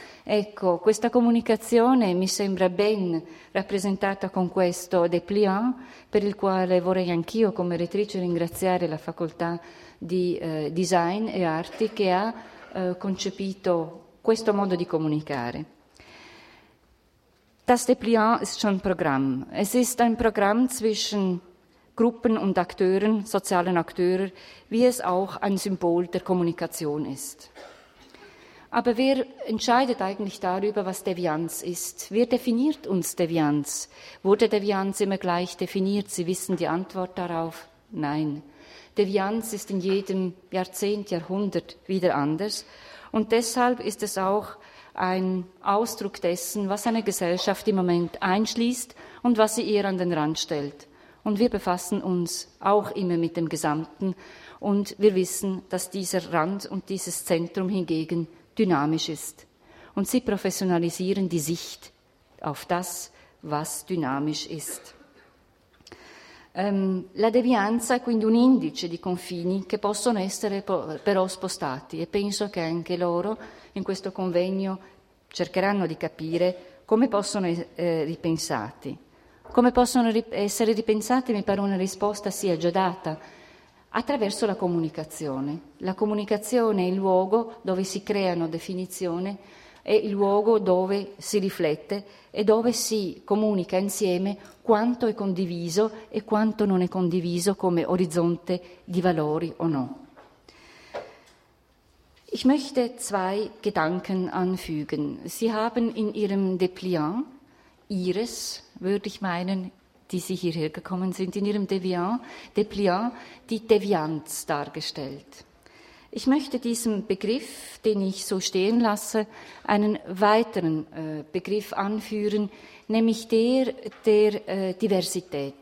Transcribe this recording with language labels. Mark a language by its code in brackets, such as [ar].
[it] Ecco, questa comunicazione mi sembra ben rappresentata con questo dépliant, per il quale vorrei anch'io come rettrice ringraziare la Facoltà di Design e Arti che ha concepito questo modo di comunicare. [de] Das dépliant ist schon Programm. Es ist ein Programm zwischen Gruppen und Akteuren, sozialen Akteuren, wie es auch ein Symbol der Kommunikation ist. Aber wer entscheidet eigentlich darüber, was Devianz ist? Wer definiert uns Devianz? Wurde Devianz immer gleich definiert? Sie wissen die Antwort darauf? Nein. Devianz ist in jedem Jahrzehnt, Jahrhundert wieder anders. Und deshalb ist es auch ein Ausdruck dessen, was eine Gesellschaft im Moment einschließt und was sie eher an den Rand stellt. Und wir befassen uns auch immer mit dem Gesamten. Und wir wissen, dass dieser Rand und dieses Zentrum hingegen dynamisch ist. Und sie professionalisieren die Sicht auf das, was dynamisch ist. [it] La devianza è quindi un indice di confini che possono essere però spostati e penso che anche loro in questo convegno cercheranno di capire come possono ripensati. Come possono essere ripensate, mi pare una risposta sia già data. Attraverso la comunicazione. La comunicazione è il luogo dove si creano definizioni, è il luogo dove si riflette e dove si comunica insieme quanto è condiviso e quanto non è condiviso come orizzonte di valori o no. [de] Ich möchte zwei Gedanken anfügen. Sie haben in Ihrem Dépliant, Ihres, würde ich meinen, die Sie hierher gekommen sind, in Ihrem Dépliant, die Devianz dargestellt. Ich möchte diesem Begriff, den ich so stehen lasse, einen weiteren Begriff anführen, nämlich der Diversität.